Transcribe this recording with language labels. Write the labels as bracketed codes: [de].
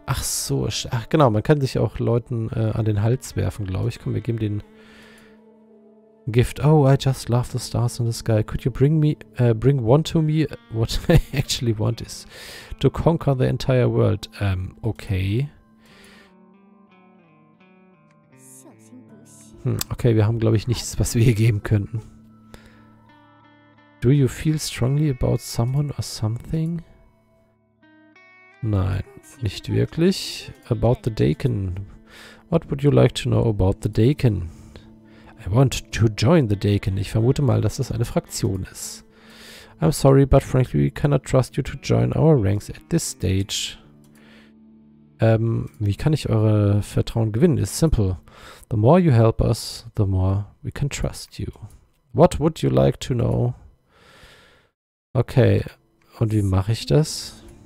[de] Ach so, ach genau, man kann sich auch Leuten an den Hals werfen, glaube ich. Komm, wir geben den Gift. [en] Oh, I just love the stars in the sky. Could you bring me, bring one to me? What I actually want is to conquer the entire world. Okay. [de] Okay, wir haben, glaube ich, nichts, was wir hier geben könnten. [en] Do you feel strongly about someone or something? [de] Nein, nicht wirklich. [en] About the Dagon. What would you like to know about the Dagon? I want to join the Dagon. [de] Ich vermute mal, dass das eine Fraktion ist. [en] I'm sorry, but frankly, we cannot trust you to join our ranks at this stage. [de] Wie kann ich eure Vertrauen gewinnen? [en] It's simple. The more you help us, the more we can trust you. What would you like to know? [de] Okay, und wie mache ich das?